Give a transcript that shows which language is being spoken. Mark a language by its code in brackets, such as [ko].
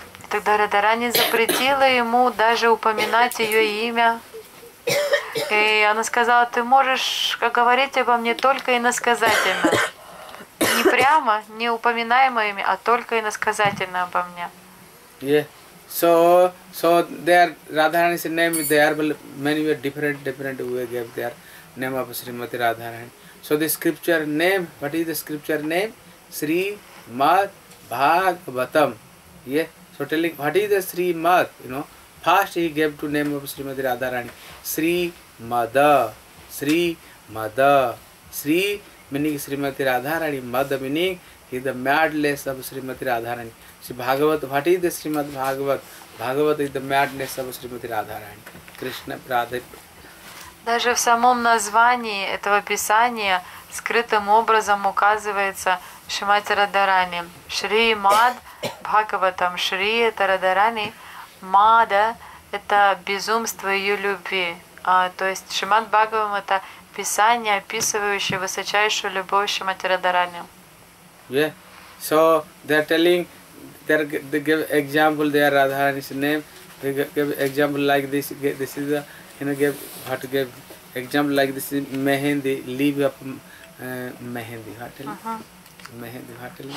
[ru] Тогда Радарани запретила ему даже упоминать ее имя. И она сказала, ты можешь говорить обо мне только иносказательно. Не прямо, не упоминая мое имя, а только иносказательно обо мне. [en] So there Radharani's name there, many were different way gave their name of Srimati Radharani. So the scripture name, what is the scripture name? Srimad Bhagavatam. Yeah. So telling what is the Srimad, you know. First he gave to name of Srimati Radharani. Srimada. Srimada. Sri meaning Srimati Radharani. Mada meaning he is the madness of Srimati Radharani. Sri Bhagavat, what is the Srimad Bhagavat? Bhagavat is the madness of Srimati Radharani. Krishna Radha. [ru] Даже в самом названии этого писания скрытым образом указывается Шримати Радхарани. Шри Мад Бхагаватам. Шри – это Радхарани. Мада – это безумство ее любви. То есть Шримад Бхагаватам – это писание, описывающее высочайшую любовь Шримати Радхарани. [en] Yeah. So, they are telling, they give example there, Radharani's name. They give example like this. This is the, you know, give, what to give? Example like this is Mehendi, leaf of Mehendi. What to leave? Mehendi, what to leave?